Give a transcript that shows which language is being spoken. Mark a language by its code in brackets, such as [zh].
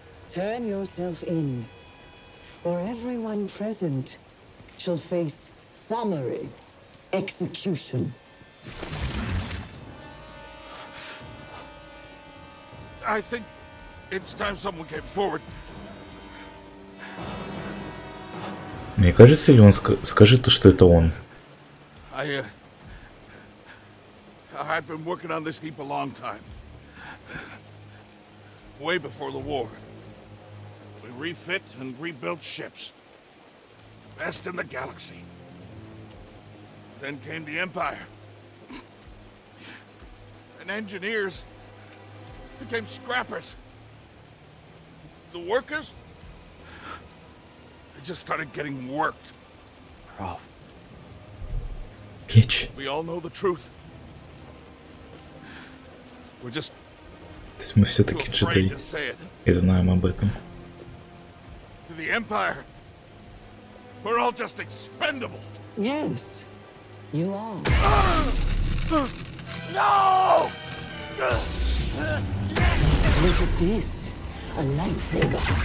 [en] Turn yourself in, or everyone present shall face summary execution. I think it's time someone came forward. [ru] Мне кажется, или он скажет, что это он? [en] I've been working on this heap a long time. Way before the war. We refit and rebuilt ships. Best in the galaxy. Then came the Empire. And engineers became scrappers. The workers? They just started getting worked. Prof. Bitch. We all know the truth. We're just [ru] То есть мы все-таки джедаи и знаем об этом. [en] To the Empire, we're all just expendable. Yes, you are. No! Look at this, a lightsaber.